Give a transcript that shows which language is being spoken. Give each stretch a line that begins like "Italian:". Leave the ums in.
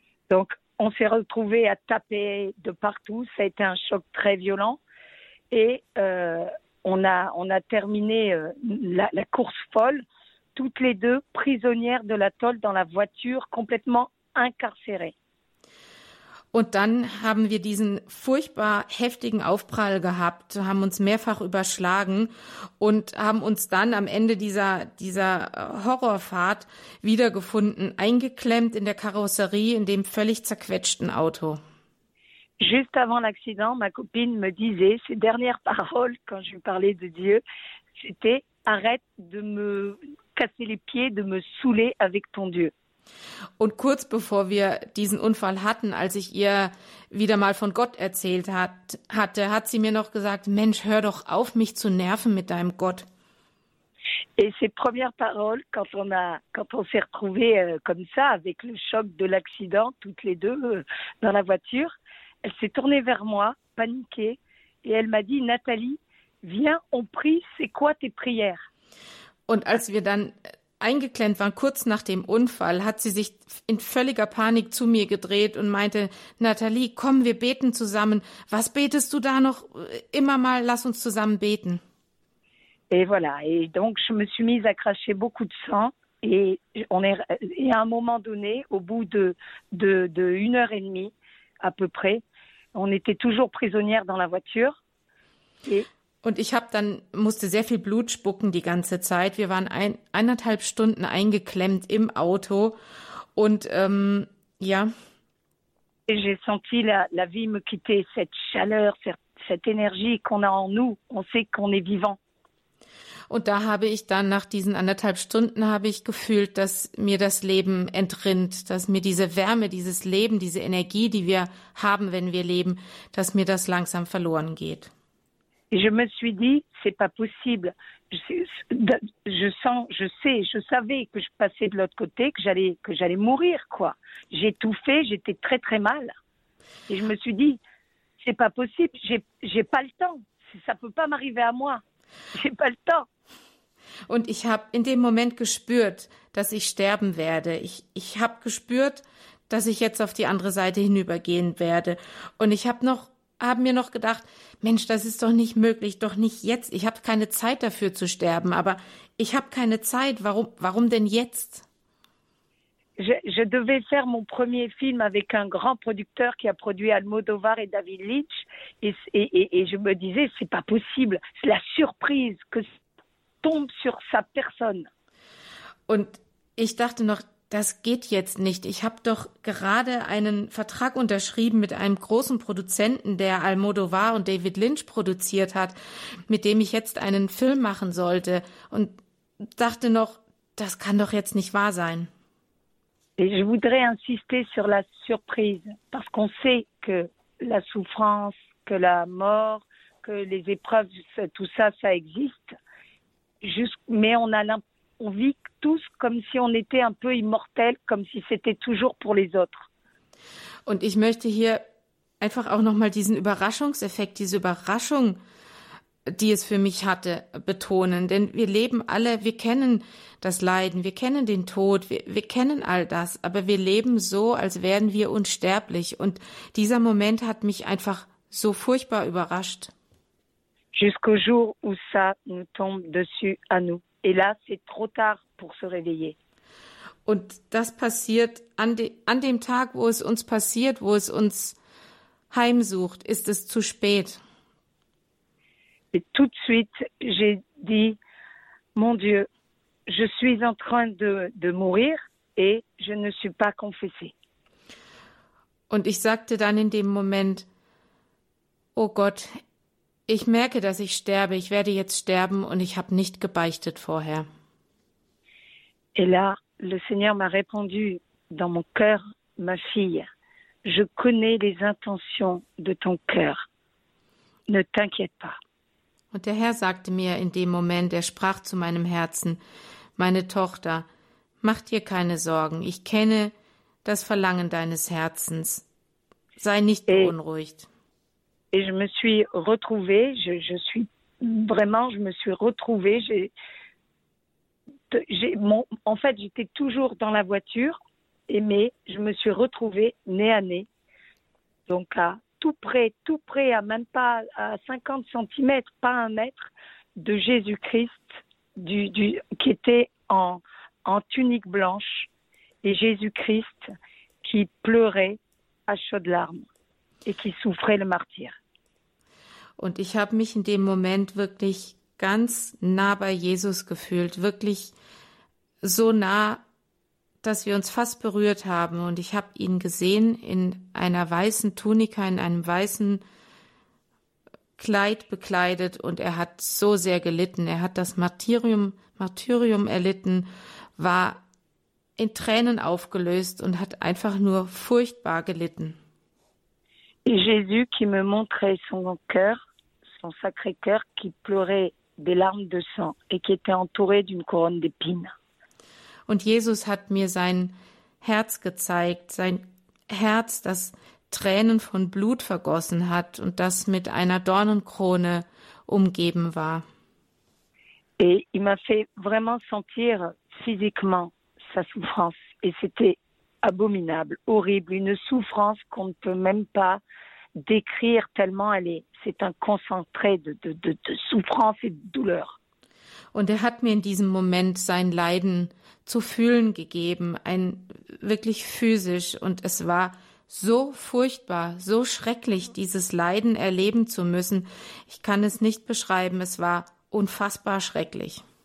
French: Donc, on s'est retrouvés à taper de partout. Ça a été un choc très violent. Et euh, on, a, on a terminé euh, la, la course folle, toutes les deux prisonnières de l'atoll dans la voiture, complètement incarcérées.
German: Und dann haben wir diesen furchtbar heftigen Aufprall gehabt, haben uns mehrfach überschlagen und haben uns dann am Ende dieser, dieser äh, Horrorfahrt wiedergefunden, eingeklemmt in der Karosserie in dem völlig zerquetschten Auto.
French: Juste avant l'accident, ma copine me disait, ses dernières paroles quand je lui parlais de Dieu, c'était arrête de me casser les pieds, de me saouler avec ton Dieu.
German: Und kurz bevor wir diesen Unfall hatten, als ich ihr wieder mal von Gott erzählt hat, hatte, hat sie mir noch gesagt, Mensch, hör doch auf, mich zu nerven mit deinem Gott.
French: Et ses premières paroles, quand on, a, quand on s'est retrouvés euh, comme ça, avec le choc de l'accident, toutes les deux euh, dans la voiture, elle s'est tournée vers moi, paniquée, et elle m'a dit Nathalie, viens, on prie, c'est quoi tes prières
German: Und als wir dann eingeklemmt waren, kurz nach dem Unfall, hat sie sich in völliger Panik zu mir gedreht und meinte, Nathalie, komm, wir beten zusammen. Was betest du da noch? Immer mal, lass uns zusammen beten.
French: Et voilà. Et donc, je me suis mise à cracher beaucoup de sang. Et, on est, et à un moment donné, au bout de, de, de une heure et demie, à peu près, on était toujours prisonnière dans la voiture. Et,
German: Und ich habe dann musste sehr viel Blut spucken die ganze Zeit. Wir waren ein, eineinhalb Stunden eingeklemmt im Auto und ähm, ja,
French: et j'ai senti la, la vie me quitter, cette chaleur, cette, cette énergie qu'on a en nous. On sait qu'on est vivant.
German: und da habe ich dann nach diesen anderthalb Stunden habe ich gefühlt, dass mir das Leben entrinnt, dass mir diese Wärme, dieses Leben, diese Energie, die wir haben, wenn wir leben, dass mir das langsam verloren geht.
French: Et je me suis dit, c'est pas possible. Je, je sens, je sais, je savais que je passais de l'autre côté, que j'allais, que j'allais mourir, quoi. J'ai tout fait, j'étais très très mal. Et je me suis dit, c'est pas possible, j'ai, j'ai pas le temps. Ça peut pas m'arriver à moi. J'ai pas le temps.
German: Und ich habe in dem Moment gespürt, dass ich sterben werde. Ich, ich habe gespürt, dass ich jetzt auf die andere Seite hinübergehen werde. Und ich habe noch, habe mir noch gedacht, Mensch, das ist doch nicht möglich, doch nicht jetzt. Ich habe keine Zeit dafür zu sterben, aber ich habe keine Zeit. Warum, warum denn jetzt?
French: Je, je devais faire mon premier film avec un grand producteur qui a produit Almodovar et David Lynch. Et, et, et- et je me disais, c'est pas possible. C'est la surprise que tombe sur sa personne.
German: Und ich dachte noch, das geht jetzt nicht. Ich habe doch gerade einen Vertrag unterschrieben mit einem großen Produzenten, der Almodovar und David Lynch produziert hat, mit dem ich jetzt einen Film machen sollte. Und dachte noch, das kann doch jetzt nicht wahr sein.
French: Et je voudrais insister sur la surprise, parce qu'on sait que la souffrance, que la mort, que les épreuves, ça- tout ça, ça existe. Jus- mais on, a l'im- on vit tous comme si on était un peu immortel, comme si c'était toujours pour les autres.
German: Und ich möchte hier einfach auch nochmal diesen Überraschungseffekt, diese Überraschung, die es für mich hatte, betonen. Denn wir leben alle, wir kennen das Leiden, wir kennen den Tod, wir, wir kennen all das, aber wir leben so, als wären wir unsterblich. Und dieser Moment hat mich einfach so furchtbar überrascht.
French: Jusqu'au jour où ça nous tombe dessus à nous. Et là, c'est trop tard pour se réveiller.
German: Und das passiert an, de, an dem Tag, wo es uns passiert, wo es uns heimsucht, ist es zu spät.
French: Et tout de suite, j'ai dit, mon Dieu, je suis en train de, de mourir et je ne suis pas confessée.
German: Und ich sagte dann in dem Moment, oh Gott, ich merke, dass ich sterbe, ich werde jetzt sterben und ich habe nicht gebeichtet vorher.
French: Et là, le Seigneur m'a répondu dans mon cœur, ma fille, je connais les intentions de ton cœur. Ne t'inquiète pas.
German: Und der Herr sagte mir in dem Moment, er sprach zu meinem Herzen, meine Tochter, mach dir keine Sorgen, ich kenne das Verlangen deines Herzens, sei nicht Äh. beunruhigt.
French: Et je me suis retrouvée, je, je suis vraiment, je me suis retrouvée. J'ai, de- j'ai- mon- en fait, j'étais toujours dans la voiture, et mais je me suis retrouvée nez à nez. Donc à tout près, tout près, à même pas à 50 cm, pas un mètre, de Jésus-Christ, du, du, qui était en, en tunique blanche, et Jésus-Christ qui pleurait à chaudes larmes et qui souffrait le martyre.
German: Und ich habe mich in dem Moment wirklich ganz nah bei Jesus gefühlt, wirklich so nah, dass wir uns fast berührt haben. Und ich habe ihn gesehen in einer weißen Tunika, in einem weißen Kleid bekleidet und er hat so sehr gelitten. Er hat das Martyrium, Martyrium erlitten, war in Tränen aufgelöst und hat einfach nur furchtbar gelitten.
French: Et Jésus qui me montrait son cœur, son sacré cœur qui pleurait des larmes de sang et qui était entouré d'une couronne d'épines.
German: Und Jesus hat mir sein Herz gezeigt, sein Herz, das Tränen von Blut vergossen hat und das mit einer Dornenkrone umgeben war.
French: Et il m'a fait vraiment sentir physiquement sa souffrance. Et c'était abominable, horrible, une souffrance qu'on ne peut même pas décrire tellement elle est. C'est un concentré de, de, de, de souffrance et de douleur.
German: Und er hat mir in diesem Moment sein Leiden zu fühlen gegeben, ein wirklich physisch. Und es war so furchtbar, so schrecklich, dieses Leiden erleben zu müssen. Ich kann es nicht beschreiben. Es war unfassbar schrecklich.